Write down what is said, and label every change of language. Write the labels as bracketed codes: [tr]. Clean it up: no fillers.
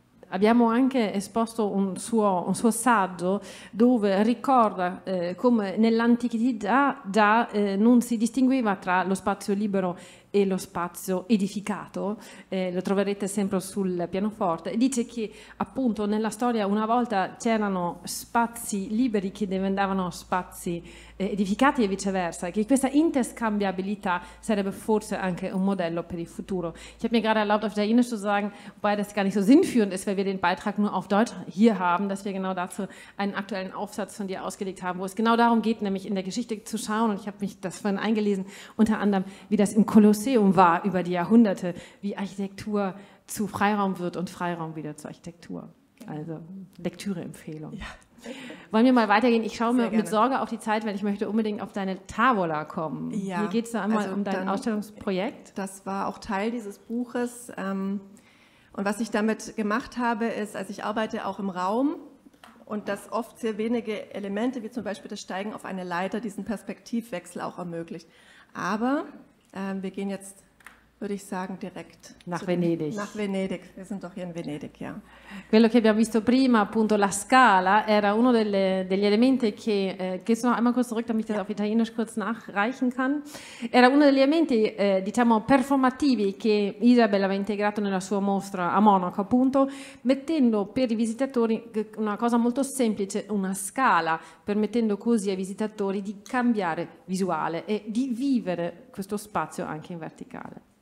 [it] Abbiamo anche esposto un suo saggio dove ricorda come nell'antichità già non si distingueva tra lo spazio libero e lo spazio edificato, lo troverete sempre sul pianoforte, e dice che appunto nella storia una volta c'erano spazi liberi che diventavano spazi edificati e viceversa, che questa interscambiabilità sarebbe forse anche un modello per il futuro. [de] Ich habe mir gerade erlaubt, auf Italienisch zu sagen, wobei das gar nicht so sinnführend ist, weil wir den Beitrag nur auf Deutsch hier haben, dass wir genau dazu einen aktuellen Aufsatz von dir ausgelegt haben, wo es genau darum geht, nämlich in der Geschichte zu schauen, und ich habe mich das vorhin eingelesen, unter anderem, wie das in Kolosseum war über die Jahrhunderte, wie Architektur zu Freiraum wird und Freiraum wieder zu Architektur. Also Lektüre-Empfehlung. Ja. Wollen wir mal weitergehen? Ich schaue mit Sorge auf die Zeit, weil ich möchte unbedingt auf deine Tavola kommen. Ja, hier geht es einmal also um dein Ausstellungsprojekt. Das war auch Teil dieses Buches. Und was ich damit gemacht habe, ist, also ich arbeite auch im Raum, und dass oft sehr wenige Elemente, wie zum Beispiel das Steigen auf eine Leiter, diesen Perspektivwechsel auch ermöglicht. Aber wir gehen jetzt, würde ich sagen, direkt nach Venedig. Nach Venedig. Wir sind doch hier in Venedig, ja. [it] Quello che abbiamo visto prima, appunto, la scala, era uno degli elementi che. [de] Gehst du noch einmal kurz zurück, damit ich das auf Italienisch kurz nachreichen kann? [it] Era uno degli elementi, diciamo, performativi che Isabel aveva integrato nella sua mostra a Monaco, appunto, mettendo per i visitatori una cosa molto semplice, una scala, permettendo così ai visitatori di cambiare visuale e di vivere questo spazio anche in verticale.